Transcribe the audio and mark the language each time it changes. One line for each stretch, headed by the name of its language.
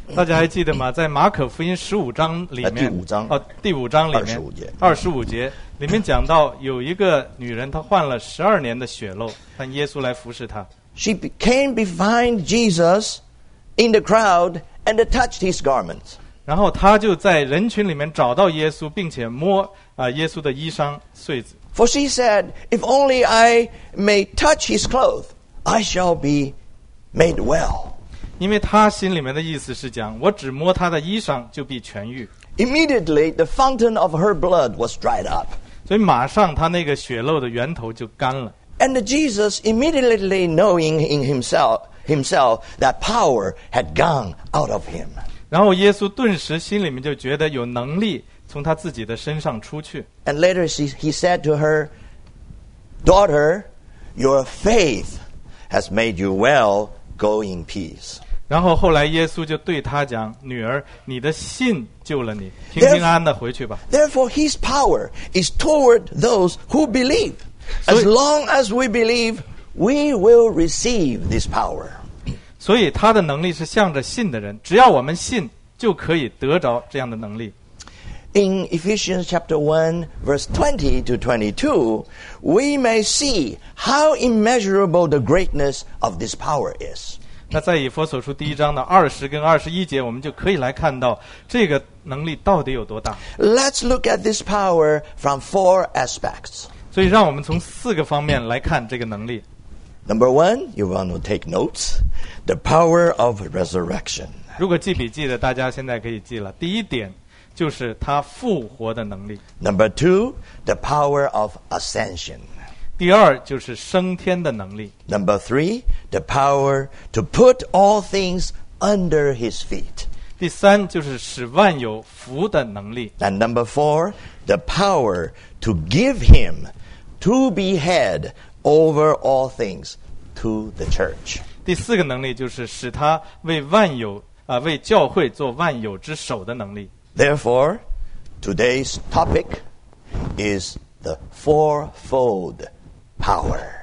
Chinese: 大家还记得吗？在马可福音十五章里面，第五章里面， 25节，里面讲到有一个女人，她患了十二年的血漏，但耶稣来服侍她。
English: She came behind Jesus in the crowd and touched his garments.
Chinese: 然后她就在人群里面找到耶稣，并且摸耶稣的衣裳穗子。
English: For she said, "If only I may touch his clothes, I shall be made well."
Chinese: 因为她心里面的意思是讲，我只摸他的衣裳就必痊愈。
English: Immediately, the fountain of her blood was dried up.
Chinese: 所以马上她那个血漏的源头就干了。
English: And Jesus, immediately knowing in himself that power had gone out of him.
Chinese: 然后耶稣顿时心里面就觉得有能力从他自己的身上出去。
English: And later he said to her, "Daughter, your faith has made you well. Go in peace."
Chinese: 然后后来耶稣就对他讲，女儿，你的信救了你，平平安的回去吧。
English: Therefore his power is toward those who believe. As long as we believe, we will receive this power.
Chinese: 所以他的能力是向着信的人，只要我们信就可以得着这样的能力。
English: In Ephesians chapter 1, verse 20 to 22, we may see how immeasurable the greatness of this power is.
Chinese: 那在以弗所书第一章的二十跟二十一节，我们就可以来看到这个能力到底有多大。
English: Let's look at this power from four aspects.
Chinese: 所以让我们从四个方面来看这个能力。
English: Number one, you want to take notes, the power of resurrection.
Chinese: 如果记笔记的，大家现在可以记了。第一点。就是他复活的能力。
English: Number two, the power of ascension.
Chinese: 第二就是升天的能力。
English: Number three, the power to put all things under his feet.
Chinese: 第三就是使万有服的能力。
English: And number four, the power to give him to be head over all things to the church.
Chinese: 第四个能力就是使他为万有为教会做万有之首的能力。
English: Therefore, today's topic is the fourfold power.